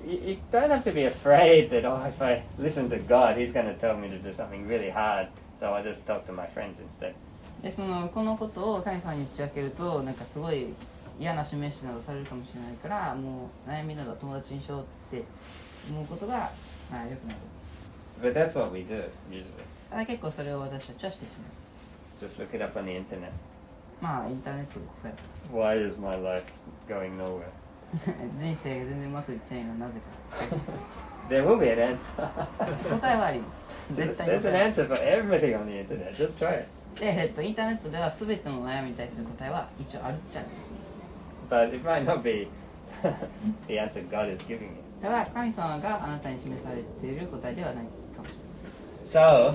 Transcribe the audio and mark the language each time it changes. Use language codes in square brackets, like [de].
[en] You don't have to be afraid that oh, if I listen to God, He's going to tell me to do something really hard. So I just talk to my friends instead. [ja] で、そのこのことを神様に打ち明けるとなんかすごい嫌な示しなどされるかもしれないから、もう悩みなど友達にしようって思うことが、まあ、よくなる。 [en] But that's what we do usually. [ja] 結構それを私たちはしてしまう。 [en] Just look it up on the internet. [ja] まあ、インターネットで答えます。 [en] Why is my life going nowhere? [ja] 人生が全然うまくいってないのはなぜか。 [en] There will be an answer. [ja] 答えはあります。絶対に。 [en] There's an answer for everything on the internet. Just try it. [ja] で、インターネットでは全ての悩みに対する答えは一応あるっちゃある。 [en] But it might not be the answer God is giving you. [ja] ただ、神様があなたに示されている答えではないかもしれない。